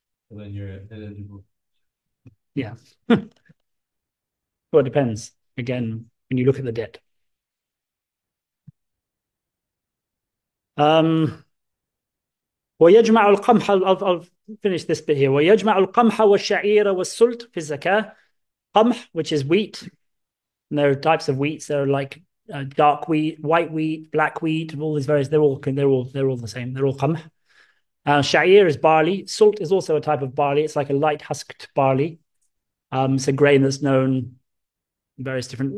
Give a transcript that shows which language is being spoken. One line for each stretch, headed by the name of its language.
English: And then you're eligible. Yeah. Well, it depends, again, when you look at the debt.
Arabic: ويجمع القمح
English: I'll finish this bit here.
Arabic: ويجمع القمح والشعير والسلت في الزكاة.
English: قمح, which is wheat, and there are types of wheats. There are like dark wheat, white wheat, black wheat, all these various. They're all the same. They're all قمح. Sha'ir is barley. Salt is also a type of barley. It's like a light husked barley. It's a grain that's known various different.